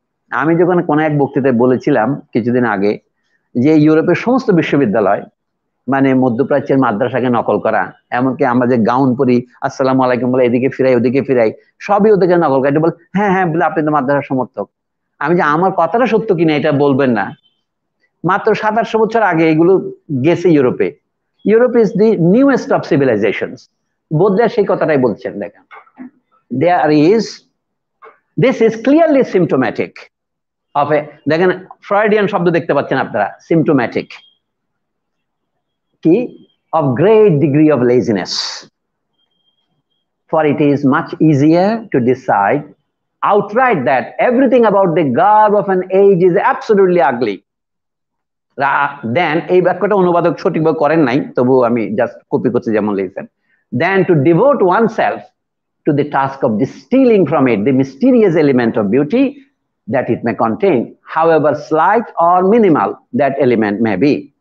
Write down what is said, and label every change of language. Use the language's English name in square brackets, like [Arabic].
[Bangla] আমি যখন কোনো এক বক্তৃতায় বলেছিলাম কিছুদিন আগে যে ইউরোপের সমস্ত বিশ্ববিদ্যালয় মানে মধ্যপ্রাচ্যের মাদ্রাসাকে নকল করা, এমনকি আমরা যে গাউন পরি আসসালামু আলাইকুম বলে এদিকে ফিরাই ওদিকে ফিরাই, সবই ওদেরকে নকল করা, বলে হ্যাঁ হ্যাঁ বলে আপনি তো মাদ্রাসার সমর্থক। আমি যে আমার কথাটা সত্য কিনা এটা বলবেন না, মাত্র 700 বছর আগে এগুলো গেছে ইউরোপে, [English] Europe is the newest of civilization, [Bangla] বোধহয় সেই কথাটাই বলছেন। [English] দেখেন, there is this is clearly symptomatic of a, [Bangla] দেখেন ফ্রয়েডিয়ান শব্দ দেখতে পাচ্ছেন আপনারা, [English] symptomatic of great degree of laziness, for it is much easier to decide outright that everything about the garb of an age is absolutely ugly then [Bangla] এই বাক্যটা অনুবাদক সঠিকভাবে করেন নাই, তবুও আমি জাস্ট কপি করছি যেমন লিখেছেন, [English] Then two devote one self to the task of distilling from it the mysterious element of beauty that it May contain how ever slight or minimal that element may be.